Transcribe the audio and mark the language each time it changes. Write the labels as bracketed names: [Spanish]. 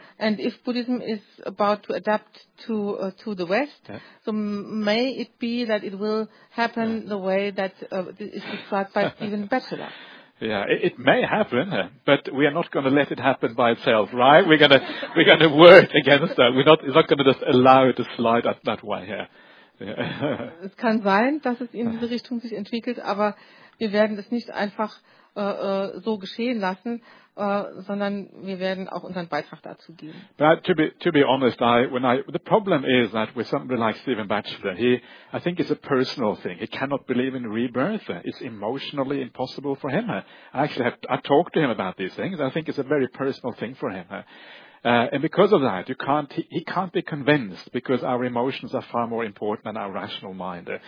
[English] And if Buddhism is about to adapt to the West, so may it be that it will happen the way that is described by Stephen Batchelor. Yeah, it may happen, but we are not going to let it happen by itself, right? We're gonna work against that. It's not going to just allow it to slide up that way. Yeah. [German] Es kann sein, dass es in diese Richtung sich entwickelt, aber wir werden es nicht einfach so geschehen lassen, sondern wir werden auch unseren Beitrag dazu geben. [English] But to be honest, the problem is that with somebody like Stephen Batchelor, I think it's a personal thing. He cannot believe in rebirth. It's emotionally impossible for him. I talked to him about these things. I think it's a very personal thing for him. And because of that, he can't be convinced, because our emotions are far more important than our rational mind.